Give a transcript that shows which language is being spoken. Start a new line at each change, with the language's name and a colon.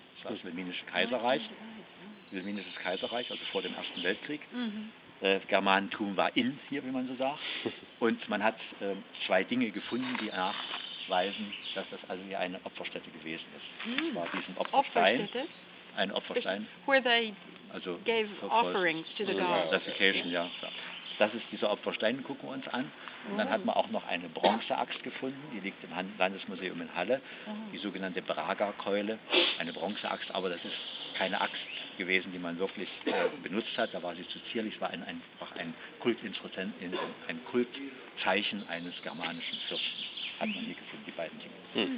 German: Das war das Wilhelminische Kaiserreich. Wilhelminisches Kaiserreich, also vor dem Ersten Weltkrieg. Germanentum war in hier, wie man so sagt. Und man hat zwei Dinge gefunden, die nachweisen, dass das also hier eine Opferstätte gewesen ist. Das war diesen Opferstein. Ein Opferstein.
English: Where they also gave offerings to the gods. Dedication, ja.
German: Das ist dieser Opferstein, gucken wir uns an. Und dann hat man auch noch eine Bronzeaxt gefunden, die liegt im Landesmuseum in Halle, die sogenannte Braga-Keule, eine Bronzeaxt, aber das ist keine Axt gewesen, die man wirklich benutzt hat, da war sie zu zierlich, es war einfach ein Kultzeichen eines germanischen Fürsten, hat man hier gefunden, die beiden Dinge.